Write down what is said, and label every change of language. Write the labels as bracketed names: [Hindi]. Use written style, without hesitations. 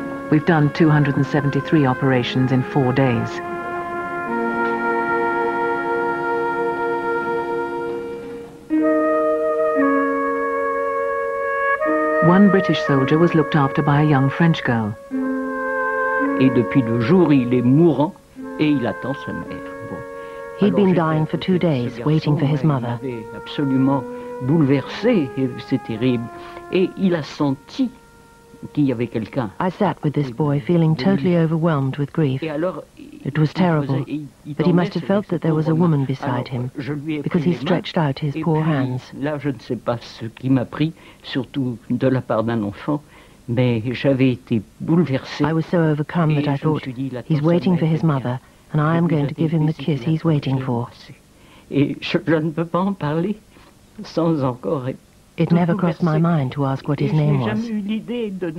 [English] We've done 273 operations in 4 days. One British soldier was looked after by a young French girl. [French] Et depuis deux jours, il est mourant et il attend sa mère. [English] He'd been dying for 2 days, waiting for his mother. [French] Absolument bouleversé, c'est terrible. Et il a senti qu'il y avait quelqu'un. [English] I sat with this boy, feeling totally overwhelmed with grief. It was terrible, but he must have felt that there was a woman beside him, because he stretched out his poor hands. [French] Là, je ne sais pas ce qui m'a pris, surtout de la part d'un enfant, mais j'avais été bouleversé. [English] I was so overcome that I thought, he's waiting for his mother. And I am going to give him the kiss he's waiting for. It never crossed my mind to ask what his name was.